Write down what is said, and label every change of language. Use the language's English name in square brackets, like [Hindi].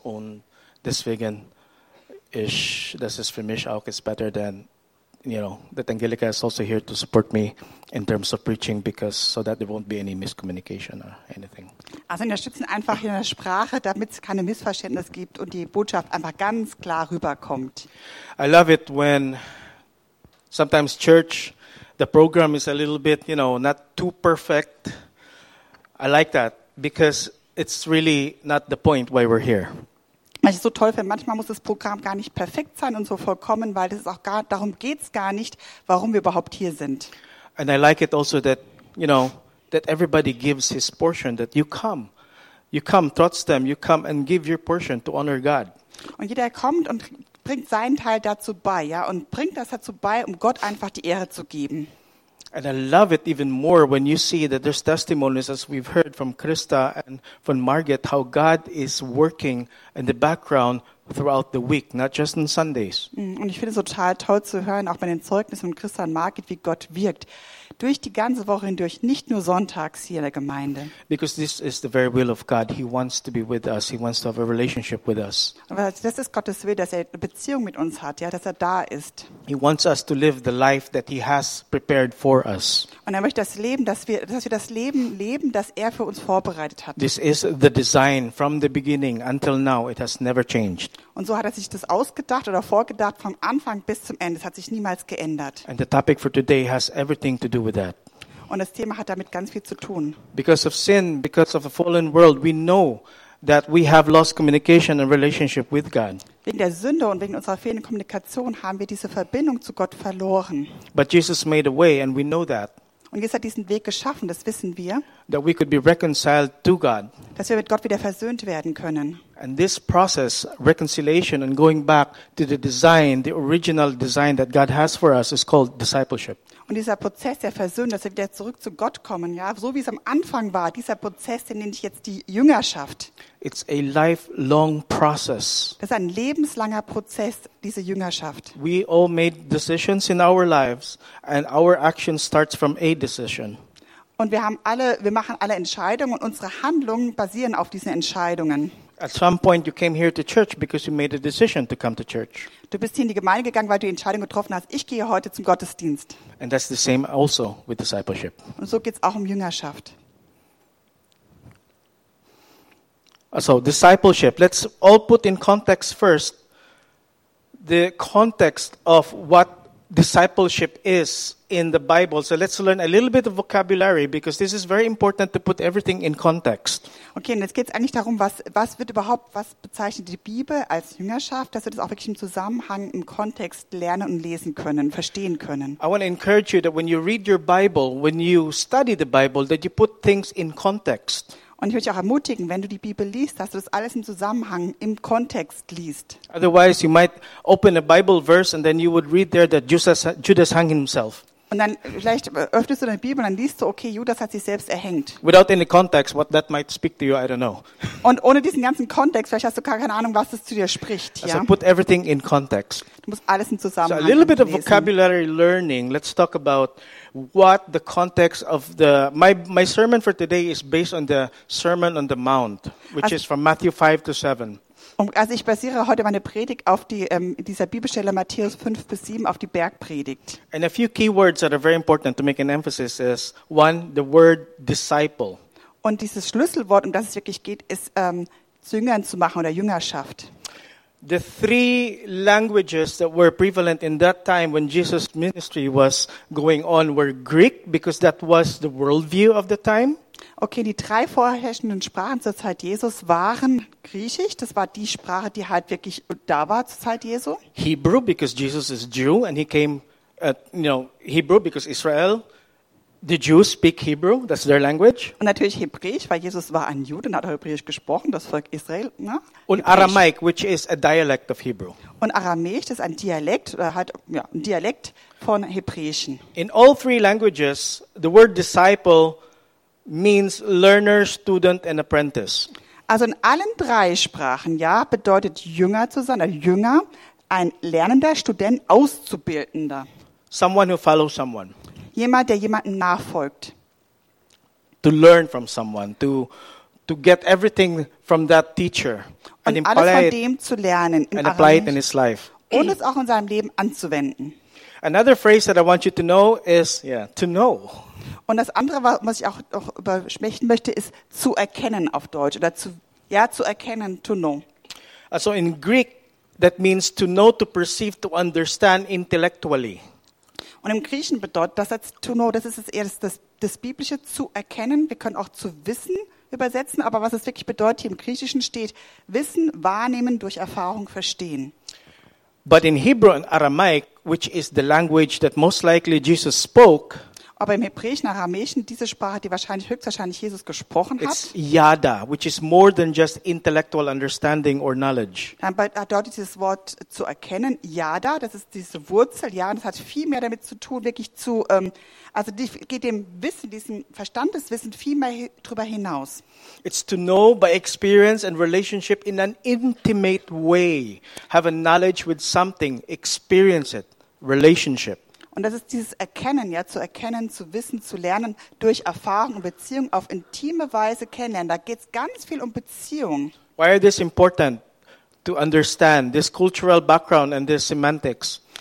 [German] Und deswegen, das ist für mich auch besser, denn, [English] you know, that Angelica is also here to support me in terms of preaching, because so that there won't be any miscommunication or anything. [German] Also unterstützen einfach in der Sprache, damit es keine Missverständnisse gibt und die Botschaft einfach ganz klar rüberkommt. [English] I love it when sometimes church, the program is a little bit, you know, not too perfect. I like that because it's really not the point why we're here. [German] Was ich so toll finde, manchmal muss das Programm gar nicht perfekt sein und so vollkommen, weil das ist auch gar, darum geht's gar nicht, warum wir überhaupt hier sind. [English] And I like it also that, you know, that everybody gives his portion, that you come trotz them, you come and give your portion to honor God. [German] Und jeder kommt und bringt seinen Teil dazu bei, ja, und bringt das dazu bei, um Gott einfach die Ehre zu geben. [English] And I love it even more when you see that there's testimonies, as we've heard from Krista and from Margaret, how God is working in the background throughout the week, not just on Sundays. [German] Und ich finde es total toll zu hören, auch bei den Zeugnissen von Krista und Margaret, wie Gott wirkt durch die ganze Woche hindurch, nicht nur sonntags hier in der Gemeinde. [English] Because this is the very will of God. He wants to be with us. He wants to have a relationship with us. [German] Aber das ist Gottes Will, dass er eine Beziehung mit uns hat, ja, dass er da ist. [English] He wants us to live the life that he has prepared for us. [German] Und er möchte das Leben, dass wir das Leben leben, das er für uns vorbereitet hat. [English] This is the design from the beginning until now. It has never changed. [German] Und so hat er sich das ausgedacht oder vorgedacht vom Anfang bis zum Ende. Es hat sich niemals geändert. [English] And the topic for today has everything to do with that. [German] Und das Thema hat damit ganz viel zu tun. [English] Because of sin, because of a fallen world, we know that we have lost communication and relationship with God. [German] Wegen der Sünde und wegen unserer fehlenden Kommunikation haben wir diese Verbindung zu Gott verloren. [English] But Jesus made a way, and we know that. [German] Und Jesus hat diesen Weg geschaffen, das wissen wir. [English] That we could be reconciled to God. [German] Dass wir mit Gott wieder versöhnt werden können. [English] And this process, reconciliation and going back to the design, the original design that God has for us, is called discipleship. [German] Und dieser Prozess der Versöhnung, dass wir wieder zurück zu Gott kommen, ja, so wie es am Anfang war, dieser Prozess, den nenne ich jetzt die Jüngerschaft. [English] It's a lifelong process. [German] Das ist ein lebenslanger Prozess, diese Jüngerschaft. [English] We all made decisions in our lives, and our action starts from a decision. [German] Und wir machen alle Entscheidungen, und unsere Handlungen basieren auf diesen Entscheidungen. [English] At some point you came here to church because you made a decision to come to church. [German] Du bist hier in die Gemeinde gegangen, weil du die Entscheidung getroffen hast, ich gehe heute zum Gottesdienst. [English] And that's the same also with discipleship. [German] Und so geht's auch um Jüngerschaft. [English] So discipleship, let's all put in context first the context of what discipleship is in the Bible. So let's learn a little bit of vocabulary, because this is very important to put everything in context. [German] Okay, und jetzt geht's eigentlich darum, was bezeichnet die Bibel als Jüngerschaft, dass wir das auch wirklich im Zusammenhang, im Kontext lernen und lesen können, verstehen können. [English] I want to encourage you that when you read your Bible, when you study the Bible, that you put things in context. [German] Und ich würde dich auch ermutigen, wenn du die Bibel liest, dass du das alles im Zusammenhang, im Kontext liest. [English] Otherwise you might open a Bible verse and then you would read there that Judas hung himself. [German] Und dann vielleicht öffnest du deine Bibel und dann liest du, okay, Judas hat sich selbst erhängt. [English] Without any context, what that might speak to you, I don't know. [German] Und ohne diesen ganzen Kontext, vielleicht hast du gar keine Ahnung, was das zu dir spricht. Ja? [English] So put everything in context. [German] Du musst alles im Zusammenhang [English] lesen. So a little bit of vocabulary learning. Let's talk about what the context of the... My sermon for today is based on the Sermon on the Mount, which is from Matthew 5 to 7. [German] Also ich basiere heute meine Predigt auf dieser Bibelstelle Matthäus 5 bis 7 auf die Bergpredigt. [English] And a few key words that are very important to make an emphasis is one, the word disciple. [German] Und dieses Schlüsselwort, um das es wirklich geht, ist Jüngern zu machen oder Jüngerschaft. [English] The three languages that were prevalent in that time when Jesus' ministry was going on were Greek, because that was the worldview of the time. [German] Okay, die drei vorherrschenden Sprachen zur Zeit Jesus waren Griechisch. Das war die Sprache, die halt wirklich da war zur Zeit Jesu. [English] Hebrew, because Jesus is Jew and he came, you know, Hebrew because Israel, The Jews speak Hebrew, that's their language. [German] Und natürlich Hebräisch, weil Jesus war ein Jude und hat Hebräisch gesprochen, das Volk Israel. Ne? Und Hebräisch. [English] Aramaic, which is a dialect of Hebrew. [German] Und Aramäisch, das ist ein Dialekt, oder halt, ja, ein Dialekt von Hebräischen. [English] In all three languages, the word disciple means learner, student and apprentice. [German] Also in allen drei Sprachen, ja, bedeutet Jünger zu sein, Jünger, ein Lernender, Student, Auszubildender. [English] Someone who follows someone. [German] Jemand, der jemanden nachfolgt. [English] To learn from someone, to get everything from that teacher. [German] Und and alles von dem zu lernen. [English] And apply it in his life. [German] Und es auch in seinem Leben anzuwenden. [English] Another phrase that I want you to know is, yeah, to know. [German] Und das andere, was ich auch noch übersprechen möchte, ist zu erkennen auf Deutsch. Oder zu erkennen, [English] to know. Also in Greek, that means to know, to perceive, to understand intellectually. [German] Und im Griechen bedeutet das jetzt [English] to know, [German] das ist jetzt eher das Biblische, zu erkennen. Wir können auch zu wissen übersetzen, aber was es wirklich bedeutet, hier im Griechischen steht, wissen, wahrnehmen, durch Erfahrung verstehen. [English] But in Hebrew and Aramaic, which is the language that most likely Jesus spoke, [German] aber im Hebräischen, Aramäischen, diese Sprache, die wahrscheinlich höchstwahrscheinlich Jesus gesprochen hat, [English] it's yada, which is more than just intellectual understanding or knowledge. [German] Dann bedeutet dieses Wort zu erkennen, yada, das ist diese Wurzel, ja, und das hat viel mehr damit zu tun, wirklich zu, also die geht dem Wissen, diesem Verstandeswissen viel mehr drüber hinaus. [English] It's to know by experience and relationship in an intimate way. Have a knowledge with something, experience it, relationship. [German] Und das ist dieses Erkennen, ja, zu erkennen, zu wissen, zu lernen, durch Erfahrung und Beziehung auf intime Weise kennenlernen. Da geht es ganz viel um Beziehung. [English] Why is this important to understand this cultural background and this semantics?